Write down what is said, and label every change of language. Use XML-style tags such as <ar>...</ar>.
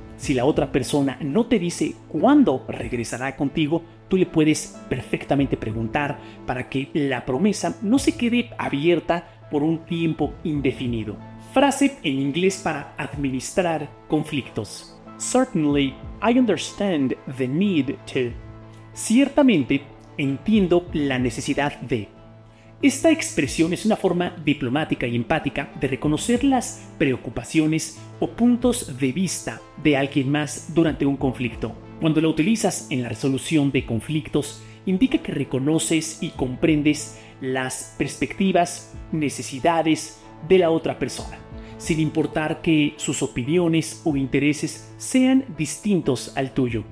<es>Si la otra persona no te dice cuándo regresará contigo, tú le puedes perfectamente preguntar para que la promesa no se quede abierta por un tiempo indefinido. Frase en inglés para administrar conflictos.</es> <en>Certainly, I understand the need to.</en> <es>Ciertamente, entiendo la necesidad de. Esta expresión es una forma diplomática y empática de reconocer las preocupaciones o puntos de vista de alguien más durante un conflicto. Cuando la utilizas en la resolución de conflictos, indica que reconoces y comprendes las perspectivas, necesidades de la otra persona, sin importar que sus opiniones o intereses sean distintos al tuyo.</es>